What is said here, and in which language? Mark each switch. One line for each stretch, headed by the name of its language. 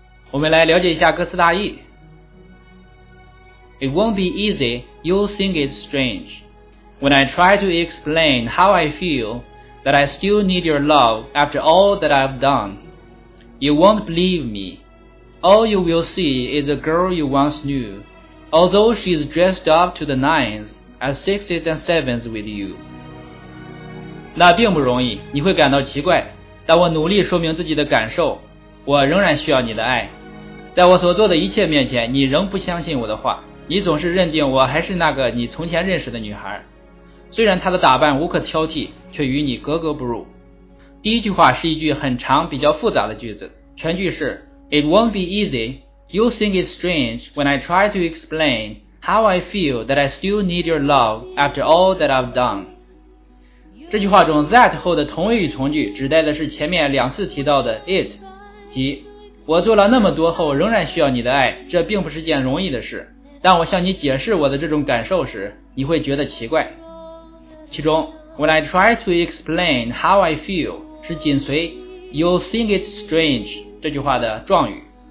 Chinese: 我们来了解一下歌词大意。
English: It won't be easy, you'll think it's strange. When I try to explain how I feel, that I still need your love after all that I've done. You won't believe me. All you will see is a girl you once knew, although she's dressed up to the nines at sixes and sevens with you.
Chinese: 那并不容易，你会感到奇怪，但我努力说明自己的感受，我仍然需要你的爱。在我所做的一切面前，你仍不相信我的话，你总是认定我还是那个你从前认识的女孩。虽然她的打扮无可挑剔，却与你格格不入。第一句话是一句很长比较复杂的句子，全句是
English: It won't be easy, you think it's strange when I try to explain how I feel that I still need your love after all that I've done.
Chinese: 这句话中 that 后的同位语从句指代的是前面两次提到的 it， 即我做了那么多后仍然需要你的爱，这并不是件容易的事。当我向你解释我的这种感受时，你会觉得奇怪。其中
English: When I try to explain how I feel
Chinese: 是紧随
English: You think it's strange
Chinese: 这句话的状语。